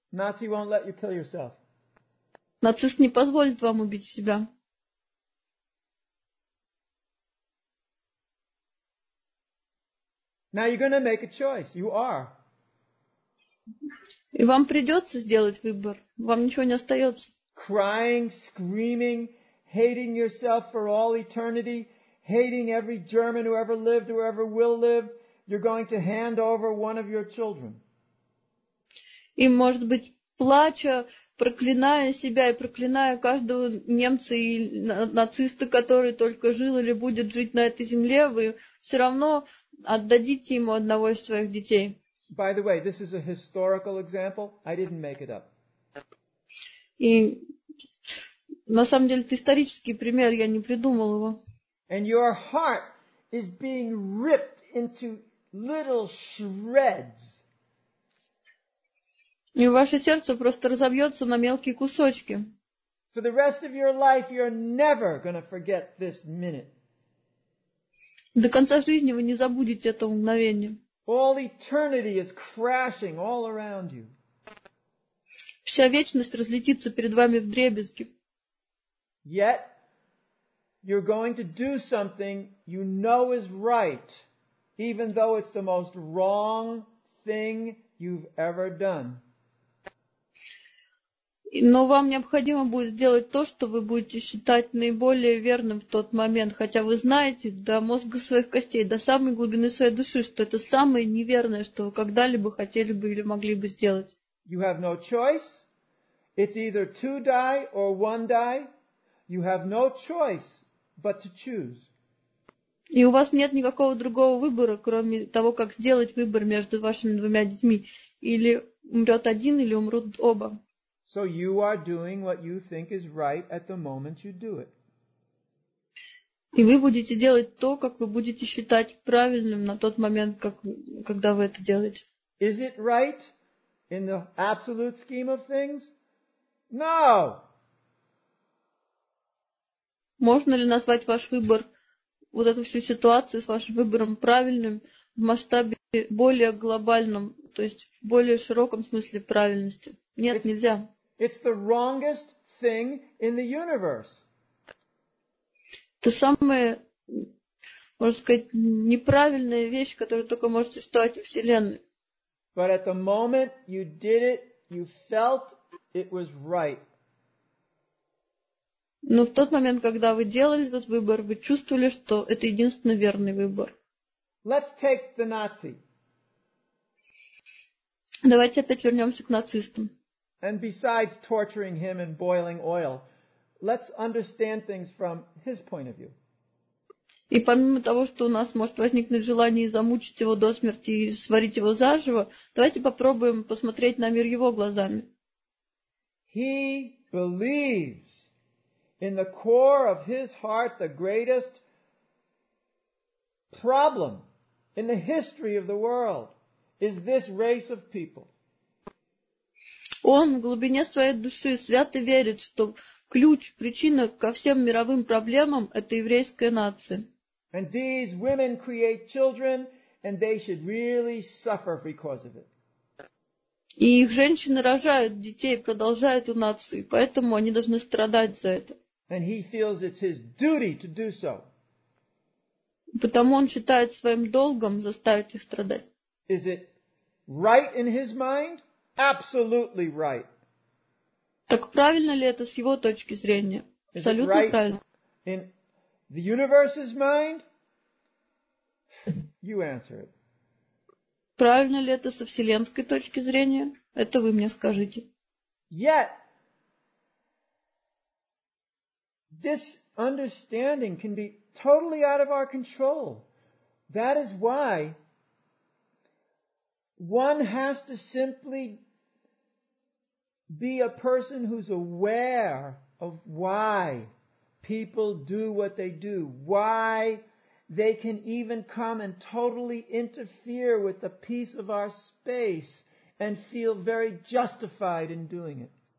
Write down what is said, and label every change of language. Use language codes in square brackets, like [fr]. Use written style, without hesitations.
[en] Nazi won't let you kill yourself. [ru] Нацист не позволит вам убить себя. [en] Now you're going to make a choice. You are. [ru] И вам придется сделать выбор. Вам ничего не остается. [en] Crying, screaming, hating yourself for all eternity, hating every German who ever lived, who ever will live, you're going to hand over one of your children. [ru] И, может быть, плача, проклиная себя и проклиная каждого немца и нациста, который только жил или будет жить на этой земле, вы все равно отдадите ему одного из своих детей. [en] By the way, this is a historical example. I didn't make it up. [ru] И на самом деле это исторический пример, я не придумал его. [en] And your heart is being ripped into little shreds. [ru] И ваше сердце просто разобьется на мелкие кусочки. [en] For the rest of your life, you're never going to forget this minute. [ru] До конца жизни вы не забудете это мгновение. [en] All eternity is crashing all around you. [ru] Вся вечность разлетится перед вами вдребезги. [en] Yet you're going to do something you know is right, even though it's the most wrong thing you've ever done. [ru] Но вам необходимо будет сделать то, что вы будете считать наиболее верным в тот момент, хотя вы знаете до мозга своих костей, до самой глубины своей души, что это самое неверное, что вы когда-либо хотели бы или могли бы сделать. [en] You have no choice. It's either two die or one die. You have no choice but to choose. [ru] И у вас нет никакого другого выбора, кроме того, как сделать выбор между вашими двумя детьми. Или умрет один, или умрут оба. [en] So you are doing what you think is right at the moment you do it. [ru] И вы будете делать то, как вы будете считать правильным на тот момент, когда вы это делаете. [en] Is it right in the absolute scheme of things? No. [ru] Можно ли назвать ваш выбор, вот эту всю ситуацию с вашим выбором правильным в масштабе более глобальном, то есть в более широком смысле правильности? Нет, нельзя. [en] It's the wrongest thing in the universe. [ru] Это самое можно сказать, неправильная вещь, которая только может существовать в Вселенной. [en] But at the moment you did it, you felt it was right. [ru] Но в тот момент, когда вы делали этот выбор, вы чувствовали, что это единственно верный выбор. [en] Let's take the Nazi. [ru] Давайте опять вернемся к нацистам. [en] And besides torturing him and boiling oil, let's understand things from his point of view. [ru] И помимо того, что у нас может возникнуть желание замучить его до смерти и сварить его заживо, давайте попробуем посмотреть на мир его глазами. [en] He believes in the core of his heart the greatest problem in the history of the world is this race of people. [ru] Он в глубине своей души свято верит, что ключ, причина ко всем мировым проблемам – это еврейская нация. [en] And these women create children, and they should really suffer because of it. [ru] И их женщины рожают детей, продолжают эту нацию, поэтому они должны страдать за это. [en] And he feels it's his duty to do so. [ru] Потому он считает своим долгом заставить их страдать. [en] Is it right in his mind? Absolutely right. [ru] Так правильно ли это с его точки зрения? Абсолютно правильно. [en] The universe's mind? You answer it. [ru] Правильно ли это со вселенской точки зрения? Это вы мне скажите. [en] Yet, this understanding can be totally out of our control. That is why one has to simply be a person who's aware of why people do what they do, why they can even come and totally interfere with the peace of our space and feel very justified in doing it.